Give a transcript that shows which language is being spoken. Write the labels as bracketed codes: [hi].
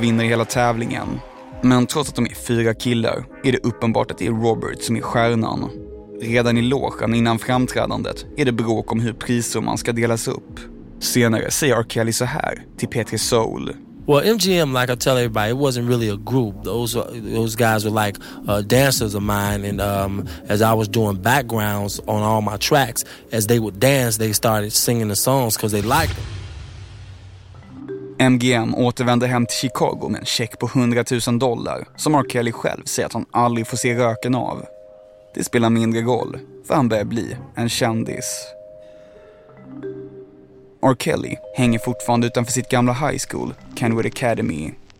[sv] MGM vinner hela tävlingen. Men trots att de är fyra killar är det uppenbart att det är Robert som är stjärnan. Redan i logen innan framträdandet är det bråk om hur prissumman ska delas upp. Senare säger R. Kelly så här till Petri Soul. [en] Well, MGM, like I tell everybody, it wasn't really a group. Those guys were like dancers of mine, and as I was doing backgrounds on all my tracks, as they would dance, they started singing the songs because they liked them. [sv] MGM återvänder hem till Chicago med en check på $100,000 som R. Kelly själv säger att han aldrig får se röken av. Det spelar mindre roll, för han börjar bli en kändis. R. Kelly hänger fortfarande utanför sitt gamla high school, Kenwood Academy.